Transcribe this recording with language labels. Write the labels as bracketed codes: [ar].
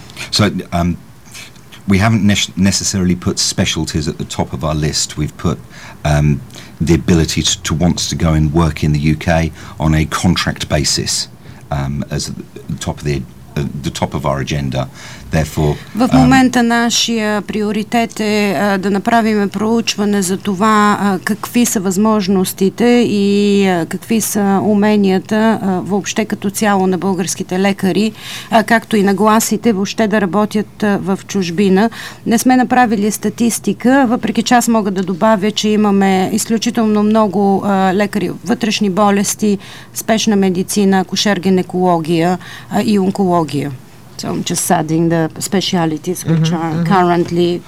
[en] So we haven't necessarily put specialties at the top of our list. We've put the ability to want to go and work in the UK on a contract basis as the top of the top of our agenda. Therefore, [bg] в момента нашия приоритет е да направим проучване за това какви са възможностите и какви са уменията въобще като цяло на българските лекари, както и нагласите въобще да работят в чужбина. Не сме направили статистика, въпреки че аз мога да добавя, че имаме изключително много лекари, вътрешни болести, спешна медицина, акушер-гинекология и онкология. [en] So I'm just adding the specialities which are currently.